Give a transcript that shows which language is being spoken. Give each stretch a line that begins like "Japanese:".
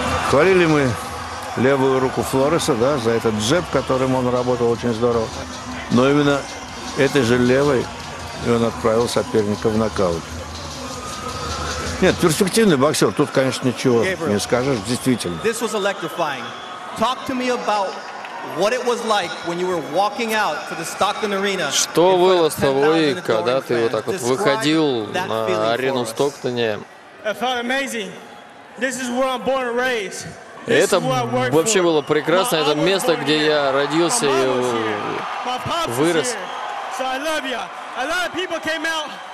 Russian: Хвалили мы левую руку Флореса, да, за этот джеб, которым он работал очень здорово. Но именно этой же левой и он отправил соперника в нокаут. Нет, перспективный боксер. Тут, конечно, ничего не скажешь, действительно.
English: This was electrifying. Talk to me about what it was like when you were walking out to the Stockton Arena.
Russian: Что было с тобой, когда ты вот так вот выходил на арену Стоктоне?
English: It felt amazing. This is where I'm born and raised.
Russian: Это вообще было прекрасно. Это место, где я родился и вырос.
English: So I love you. A lot of people came out.